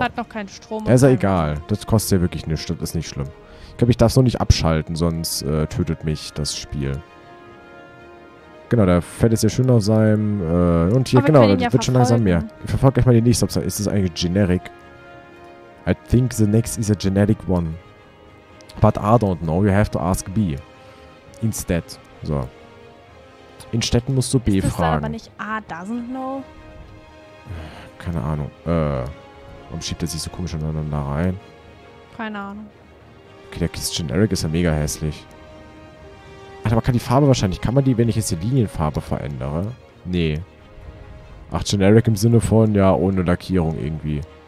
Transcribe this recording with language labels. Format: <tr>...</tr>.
<de>Hat noch keinen Strom. Das ist ja egal. Das kostet ja wirklich nichts. Das ist nicht schlimm. Ich glaube, ich darf es noch nicht abschalten, sonst tötet mich das Spiel. Genau, da fährt es ja schön auf seinem... und hier, wir genau, das ja wird Schon langsam mehr. Ich verfolge gleich mal die nächste Option. Ist das eigentlich generic?</de> <en>I think the next is a generic one. But I don't know, you have to ask B.</en> <de>Instead. So. In Städten musst du B ist das fragen. Ist aber nicht A</de> <en>doesn't know?</en> <de>Keine Ahnung. Warum schiebt er sich so komisch aneinander rein? Keine Ahnung. Okay, der Kiss Generic ist ja mega hässlich. Alter, aber kann die Farbe wahrscheinlich... Kann man die, wenn ich jetzt die Linienfarbe verändere? Nee. Ach, Generic im Sinne von, ja, ohne Lackierung irgendwie.</de>